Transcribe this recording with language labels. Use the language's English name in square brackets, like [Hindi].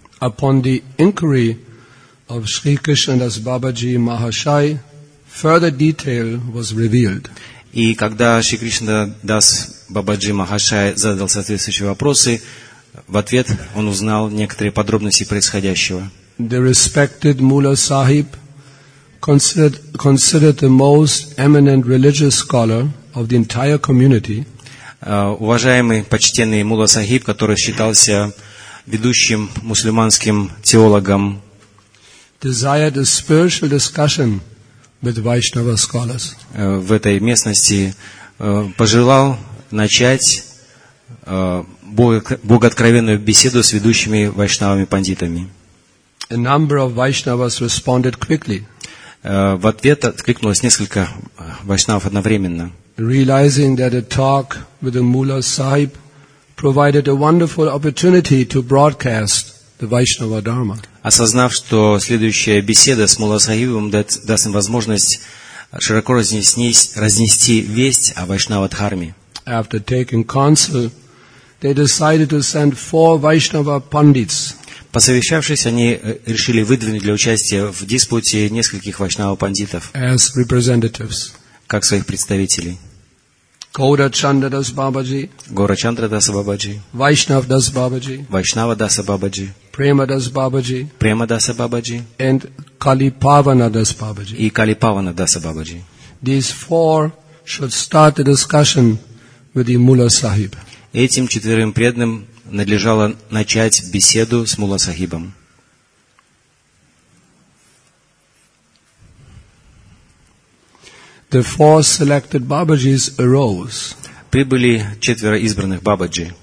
[English] Upon the inquiry of Shri Krishnadas Babaji Mahashai, further detail was revealed. [Russian] И когда Шри Кришна Дас Бабаджи Махашай задал соответствующие вопросы, в ответ он узнал некоторые подробности происходящего. [English] The respected Mula Sahib, considered the most eminent religious scholar of the entire community. [Russian] Уважаемый, почтенный Мула Сахиб, который считался ведущим мусульманским теологом. [English] Desire the spiritual discussion with Vaishnava scholars. [Russian] В этой местности пожелал начать богооткровенную беседу с ведущими вайшнавами пандитами. [English] A number of Vaishnavas responded quickly. [Russian] В ответ откликнулось несколько вайшнавов одновременно. [English] Realizing that a talk with the Mula Sahib provided a wonderful opportunity to broadcast the Vaishnava Dharma. [Russian] Осознав, что следующая беседа с Мула Сахибом даст им возможность широко разнести весть о вайшнава дхарме. [English] After taking counsel, they decided to send four Vaishnava pandits. [Russian] Посовещавшись, они решили выдвинуть для участия в диспуте нескольких вайшнава пандитов [English] as representatives. [Russian] Как своих представителей. [English] Gaurachandradas Babaji. Gaurachandradas Babaji. Vaishnavdas Babaji. Vaishnavadas Babaji. Premadas Babaji. Premadas Babaji. And Kalipavanadas Babaji. [Russian] И Kalipavanadas Babaji. [English] These four should start the discussion with the Mula Sahib. [Russian] Этим четверым преданным надлежало начать беседу с Мула Сахибом. [English] The four selected Babajis arose. [Russian] Прибыли четверо избранных Бабаджи.